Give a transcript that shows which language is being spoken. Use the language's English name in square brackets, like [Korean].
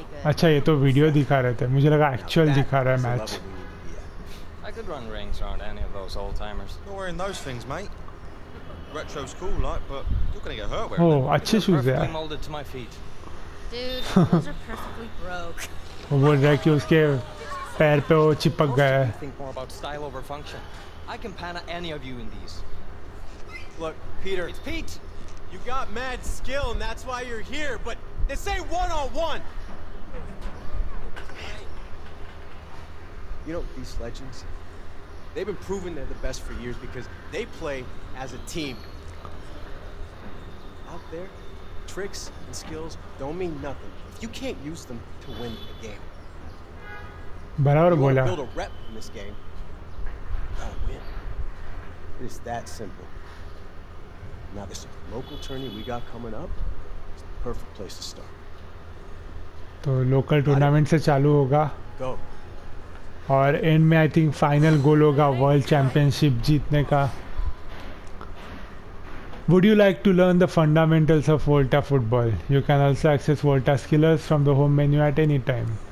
[Hindi] अच्छा ये तो वीडियो दिखा रहे थे, मुझे लगा एक्चुअल दिखा रहा है match. [English] I could run rings around any of those old timers. Don't worry about those things, mate. Retro's cool, like, but you're gonna get hurt wearing them. [Hindi] Oh, अच्छे शूज हैं। [English] Perfectly molded to my feet. Dude, those are perfectly broke. [Hindi] वो बोल रहा है कि उसके पैर पे वो चिपक गया है। [English] Think more about style over function. I can pan at any of you in these. Look, Peter. It's Pete. You got mad skill, and that's why you're here. But this ain't one on one. You know these legends? They've been proving they're the best for years because they play as a team. Out there, tricks and skills don't mean nothing if you can't use them to win a game. [Hindi] Barabar bola. [English] Build a rep in this game. Gotta win. It's that simple. Now this local tourney we got coming up is the perfect place to start. [Hindi] तो local tournament से चालू होगा और and में [English] I think [Hindi] final goal होगा world championship जीतने का. [English] Would you like to learn the fundamentals of Volta football? You can also access Volta skillers from the home menu at any time.